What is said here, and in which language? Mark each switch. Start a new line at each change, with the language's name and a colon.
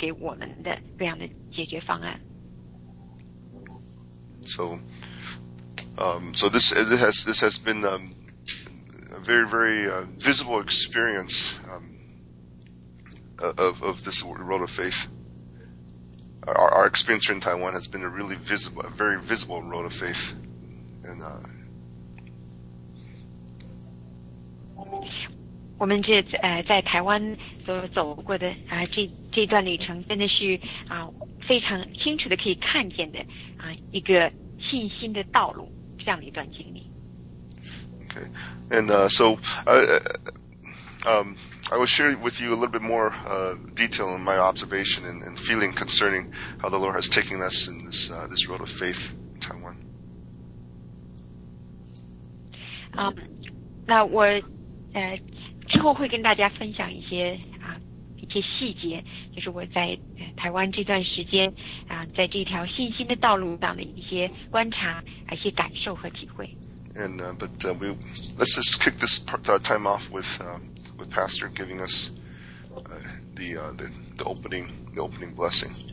Chinese: 那重要的是我们来预备我们的心能够来领受他带给我们的这样的解决方案.
English: So this has been a very very visible experience of this road of faith. Our experience here in Taiwan has been a very visible road of faith. And
Chinese: 我们这在台湾所走过的这段旅程真的是非常清楚的可以看见的一个 信心的道路, 这样的一段经历。
English: Okay. And so I will share with you a little bit more detail in my observation and feeling concerning how the Lord has taken us in this this road of faith in Taiwan.
Chinese: 那我之后会跟大家分享一些细节，就是我在台湾这段时间在这条信心的道路上的一些观察、一些感受和体会。
English: And but we let's just kick this part, time off with Pastor giving us the opening blessing.